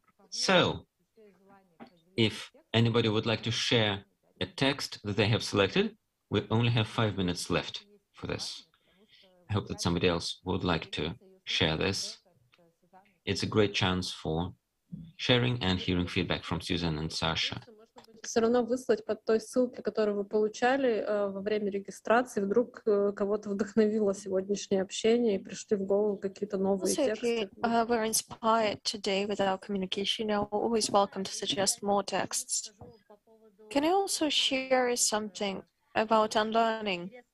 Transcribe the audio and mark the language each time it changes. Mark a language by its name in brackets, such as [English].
[English] So, if anybody would like to share a text that they have selected, we only have 5 minutes left for this. I hope that somebody else would like to share this. It's a great chance for sharing and hearing feedback from Susan and Sasha. [Russian] Все равно выслать под той ссылкой, которую вы получали во время регистрации, вдруг кого-то вдохновило сегодняшнее общение и пришли в голову какие-то новые тексты. [English] Also, if you were inspired today with our communication, you're always welcome to suggest more texts. Can I also share something about unlearning?